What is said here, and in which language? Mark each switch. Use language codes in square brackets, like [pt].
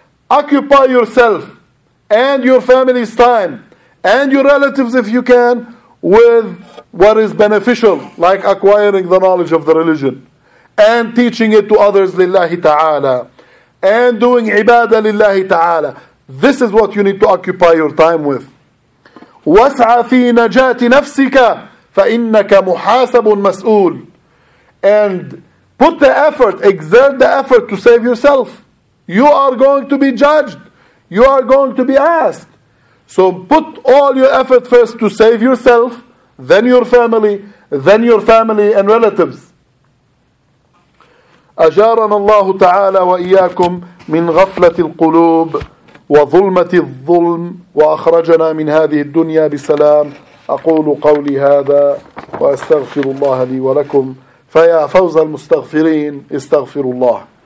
[en] Occupy yourself and your family's time and your relatives if you can with what is beneficial, like acquiring the knowledge of the religion and teaching it to others [ar] لله تعالى [en] and doing [ar] عبادة لله تعالى. [en] This is what you need to occupy your time with. [ar] وسعى في نجاة نفسك فإنك محاسب مسؤول. [en] And put the effort, exert the effort to save yourself. You are going to be judged. You are going to be asked. So put all your effort first to save yourself, then your family, then your family and relatives. [ar] أجارنا الله تعالى وإياكم من غفلة القلوب وظلمة الظلم وأخرجنا من هذه الدنيا بسلام. أقول قولي هذا وأستغفر الله لي ولكم. فيا فوز المستغفرين استغفر الله.